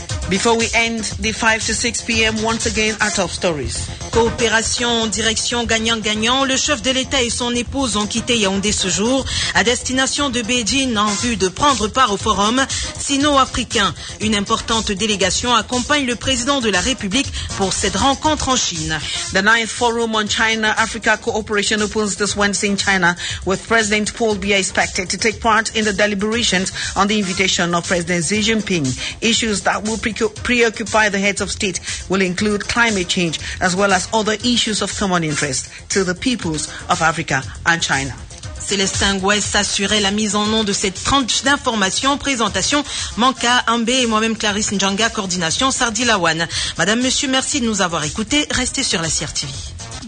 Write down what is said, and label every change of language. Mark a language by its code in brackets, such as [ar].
[en] Before we end the 5 to 6 p.m., once again, our top stories. [fr] Coopération, direction gagnant-gagnant, le chef de l'État et son épouse ont quitté Yaoundé ce jour à destination de Beijing en vue de prendre part au forum sino-africain. Une importante délégation accompagne le président de la République pour cette rencontre en Chine. [en] The 9th Forum on China-Africa Cooperation opens this Wednesday in China with President Paul Biya expected to take part in the deliberations on the invitation of President Xi Jinping. Issues that will preoccupy the heads of state will include climate change as well as other issues of common interest to the peoples of Africa and China. [fr] Célestin Gouest s'assurait la mise en onde de cette tranche d'information. Présentation, Manka, Ambe et moi-même Clarisse Njanga, coordination Sardi Lawan. Madame, Monsieur, merci de nous avoir écoutés. Restez sur la CRTV.